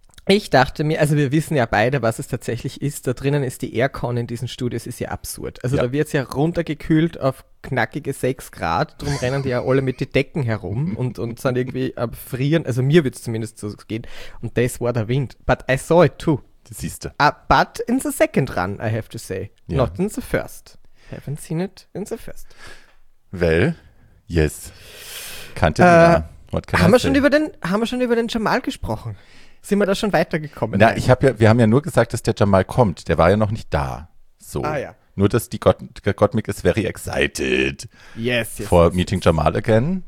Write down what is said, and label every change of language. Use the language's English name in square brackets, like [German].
[German] Ich dachte mir, also wir wissen ja beide, was es tatsächlich ist. Da drinnen ist die Aircon in diesen Studios, ist ja absurd. Also ja, da wird es ja runtergekühlt auf knackige 6 Grad. Drum rennen die ja alle mit den Decken herum und sind irgendwie am Frieren. Also mir wird es zumindest so gehen. Und das war der Wind. [English] But I saw it too. [German] Siehst du. [English] But in the second run, I have to say. [German] Ja. [English] Not in the first. Haven't seen it in the first. Well, yes. [German] Kannte ich [English] What can [German] haben I wir schon über den, haben wir schon über den Jamal gesprochen? Sind wir da schon weitergekommen? Na, wir haben ja nur gesagt, dass der Jamal kommt. Der war ja noch nicht da. So. Ah, ja. Nur, dass die Gottmik ist [English] very excited. Yes. For yes, meeting Jamal again.